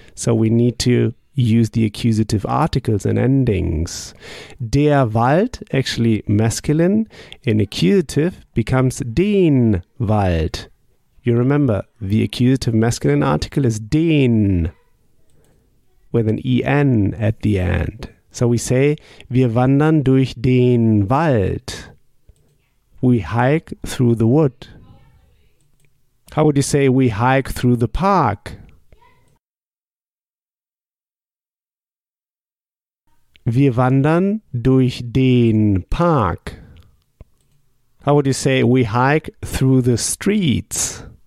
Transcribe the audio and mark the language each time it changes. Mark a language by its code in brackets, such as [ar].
[en] So we need to use the accusative articles and endings. [de] Der Wald, [en] actually masculine, in accusative becomes [de] den Wald. [en] You remember, the accusative masculine article is den, with an en at the end. So we say, [de] wir wandern durch den Wald. [en] We hike through the wood. How would you say we hike through the park? [de] Wir wandern durch den Park. [en] How would you say we hike through the streets?